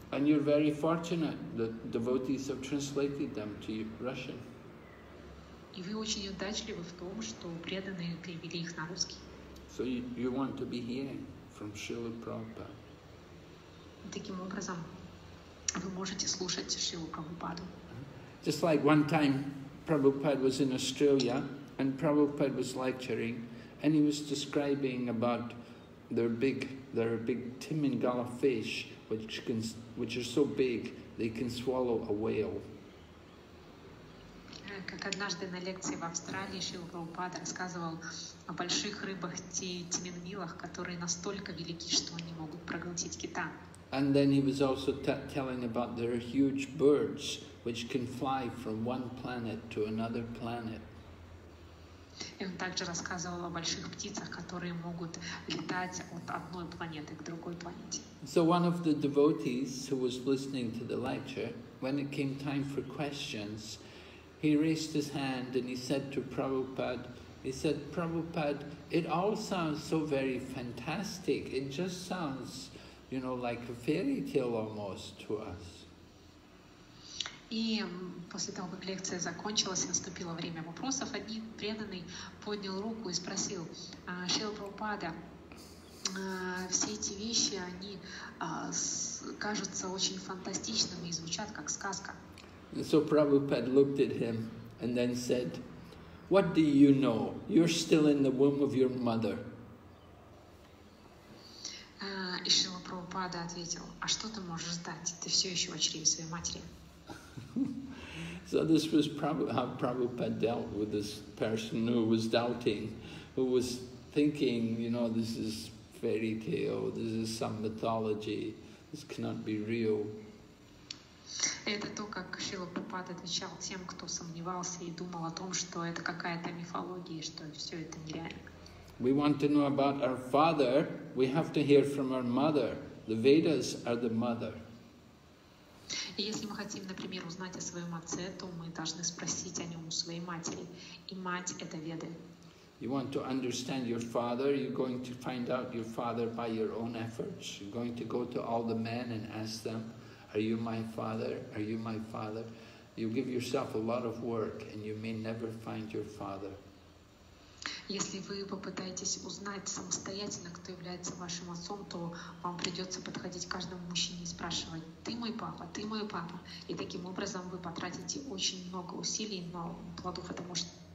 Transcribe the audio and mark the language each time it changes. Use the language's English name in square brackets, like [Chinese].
[English] And you're very fortunate that devotees have translated them to Russian. [Russian] И вы очень удачливы в том, что преданные перевели их на русский. [English] So you want to be hearing from Srila Prabhupada. [Russian] Таким образом, вы можете слушать Шрилу Прабхупаду. [English] Just like one time Prabhupada was in Australia and Prabhupada was lecturing and he was describing about their big Timingala fish which are so big they can swallow a whale. [Russian] Как однажды на лекции в Австралии Шрила Прабхупада рассказывал о больших рыбах Тимингилах, которые настолько велики, что они могут проглотить кита. [English] And then he was also telling about their huge birds, which can fly from one planet to another planet. [Russian] И он также рассказывал о больших птицах, которые могут летать от одной планеты к другой планете. [English] So one of the devotees who was listening to the lecture, when it came time for questions, he raised his hand and he said, Prabhupada, it all sounds so very fantastic. It just sounds, you know, like a fairy tale almost to us. [Russian] И после того, как лекция закончилась и наступило время вопросов, один преданный поднял руку и спросил: Шрила Прабхупада, все эти вещи, они кажутся очень фантастичными и звучат как сказка. [English] And so Prabhupada looked at him and then said, what do you know? You're still in the womb of your mother. [Russian] И Шрила Прабхупада ответил, а что ты можешь знать? Ты все еще в чреве своей матери. [English] So this was how Prabhupada dealt with this person who was doubting, who was thinking, you know, this is fairy tale, this is some mythology, this cannot be real. [Russian] Это то, как Шрила Прабхупада отвечал тем, кто сомневался и думал о том, что это какая-то мифология, что все это нереально. [English] We want to know about our father. We have to hear from our mother. The Vedas are the mother. [Russian] И если мы хотим, например, узнать о своем отце, то мы должны спросить о нем у своей матери. И мать — это Веды. [English] You want to understand your father, you're going to find out your father by your own efforts. You're going to go to all the men and ask them, are you my father? Are you my father? You give yourself a lot of work, and you may never find your father. [Russian] Если вы попытаетесь узнать самостоятельно, кто является вашим отцом, то вам придется подходить к каждому мужчине и спрашивать: «Ты мой папа? Ты мой папа?» И таким образом вы потратите очень много усилий, но плодов это может.